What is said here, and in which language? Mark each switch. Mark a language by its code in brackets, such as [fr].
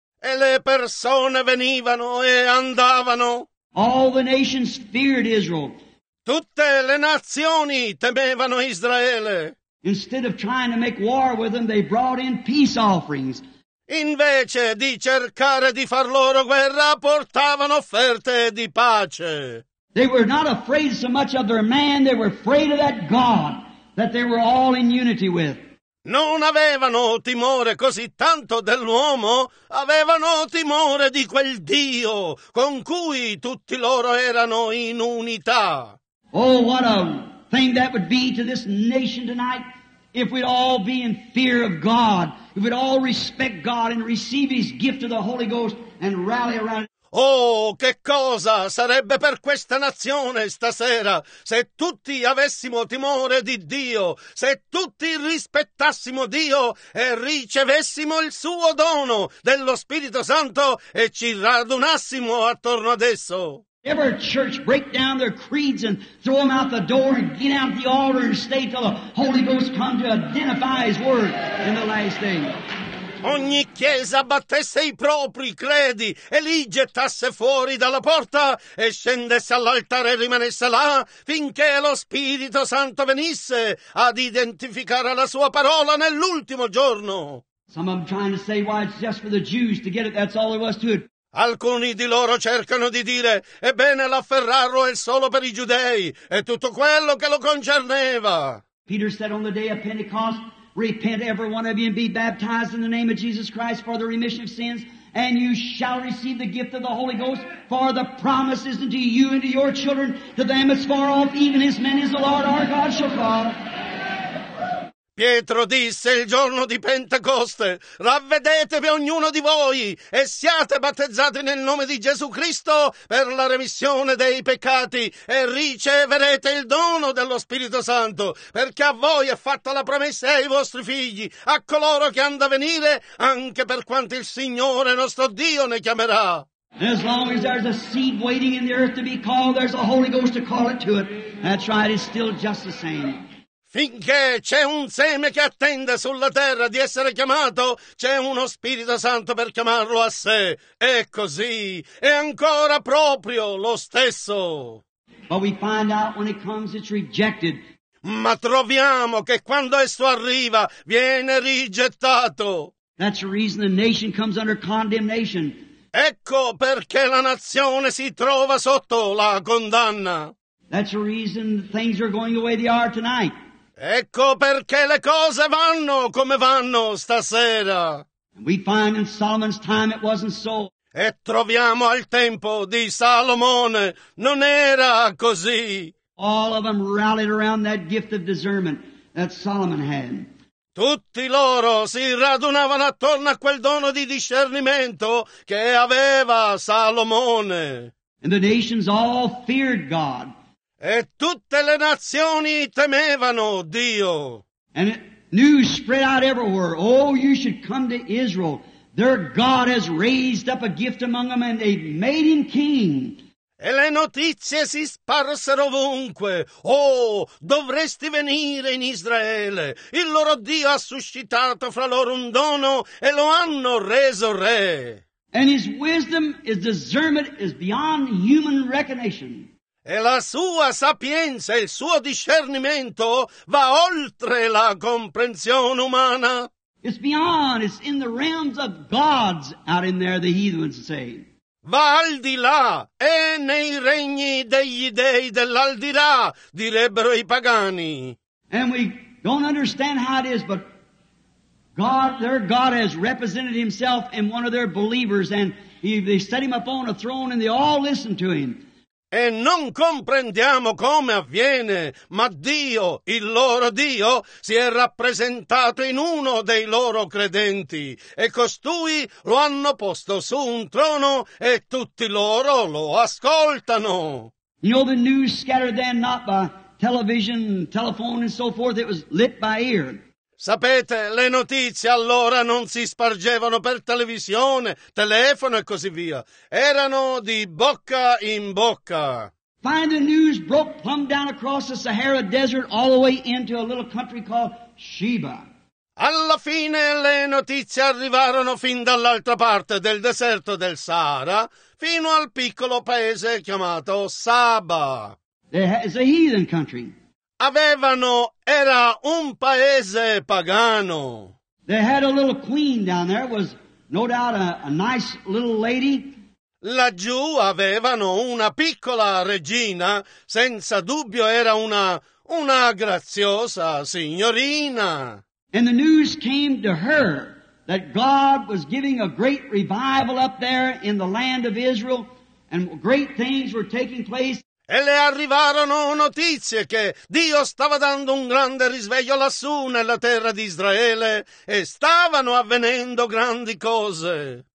[it] E le persone venivano e andavano. [en] All the nations feared Israel. [it] Tutte le nazioni temevano Israele. [en] Instead of trying to make war with them, they brought in peace offerings. [it] Invece di cercare di far loro guerra, portavano offerte di pace. [en] They were not afraid so much of their man, they were afraid of that God that they were all in unity with. [it] Non avevano timore così tanto dell'uomo, avevano timore di quel Dio con cui tutti loro erano in unità. [en] Oh, what a thing that would be to this nation tonight if we'd all be in fear of God, if we'd all respect God and receive His gift of the Holy Ghost and rally around it. [it] Oh, che cosa sarebbe per questa nazione stasera se tutti avessimo timore di Dio, se tutti rispettassimo Dio e ricevessimo il suo dono dello Spirito Santo e ci radunassimo attorno ad esso. [en] Ever a church break down their creeds and throw them out the door and get out the altar and stay till the Holy Ghost come to identify His word in the last day? [it] Ogni chiesa battesse i propri credi e li gettasse fuori dalla porta e scendesse all'altare e rimanesse là finché lo Spirito Santo venisse ad identificare la sua parola nell'ultimo giorno. [en] Some of them trying to say why it's just for the Jews to get it, that's all there was to it. [it] Alcuni di loro cercano di dire, ebbene l'afferrarlo è solo per i giudei, è tutto quello che lo concerneva. [en] Peter said on the day of Pentecost, repent every one of you and be baptized in the name of Jesus Christ for the remission of sins, and you shall receive the gift of the Holy Ghost, for the promise is unto you and to your children, to them as far off, even as many as the Lord our God shall call. [it] Pietro disse il giorno di Pentecoste, ravvedetevi ognuno di voi e siate battezzati nel nome di Gesù Cristo per la remissione dei peccati e riceverete il dono dello Spirito Santo, perché a voi è fatta la promessa e ai vostri figli, a coloro che hanno da venire, anche per quanto il Signore nostro Dio ne chiamerà. [en] As long as there's a seed waiting in the earth to be called, there's a Holy Ghost to call it to it. That's right, it's still just the same. [it] Finché c'è un seme che attende sulla terra di essere chiamato, c'è uno Spirito Santo per chiamarlo a sé. È così. È ancora proprio lo stesso. [en] But we find out when it comes, it's rejected. [it] Ma troviamo che quando esso arriva, viene rigettato. [en] That's the reason the nation comes under condemnation. [it] Ecco perché la nazione si trova sotto la condanna. [en] That's the reason things are going the way they are tonight. [it] Ecco perché le cose vanno come vanno stasera. [en] We find in Solomon's time it wasn't so. [it] E troviamo al tempo di Salomone, non era così. [en] All of them rallied around that gift of discernment that Solomon had. [it] Tutti loro si radunavano attorno a quel dono di discernimento che aveva Salomone. [en] And the nations all feared God. [it] E tutte le nazioni temevano Dio. [en] And news spread out everywhere. Oh, you should come to Israel. Their God has raised up a gift among them and they've made him king. [it] E le notizie si sparsero ovunque. Oh, dovresti venire in Israele. Il loro Dio ha suscitato fra loro un dono e lo hanno reso re. [en] And his wisdom, his discernment is beyond human recognition. [it] E la sua sapienza, il suo discernimento va oltre la comprensione umana. [en] It's beyond, it's in the realms of gods out in there, the heathens say. [it] Va al di là, è nei regni degli dei dell'aldilà, direbbero i pagani. [en] And we don't understand how it is, but God, their God has represented himself in one of their believers, and they set him up on a throne and they all listened to him. [it] E non comprendiamo come avviene, ma Dio, il loro Dio, si è rappresentato in uno dei loro credenti e costui lo hanno posto su un trono e tutti loro lo ascoltano. [en] You know, the news scattered then not by television, telephone and so forth, it was lit by ear. [it] Sapete, le notizie allora non si spargevano per televisione, telefono e così via. Erano di bocca in bocca. [en] Find the news broke plumb down across the Sahara Desert all the way into a little country called Sheba. [it] Alla fine le notizie arrivarono fin dall'altra parte del deserto del Sahara, fino al piccolo paese chiamato Saba. [en] It's a heathen country. [it] Avevano, era un paese pagano. [en] They had a little queen down there, was no doubt a nice little lady. [it] Laggiù avevano una piccola regina, senza dubbio era una graziosa signorina. [en] And the news came to her that God was giving a great revival up there in the land of Israel, and great things were taking place. [it] E le arrivarono notizie che Dio stava dando un grande risveglio lassù nella terra di Israele e stavano avvenendo grandi cose.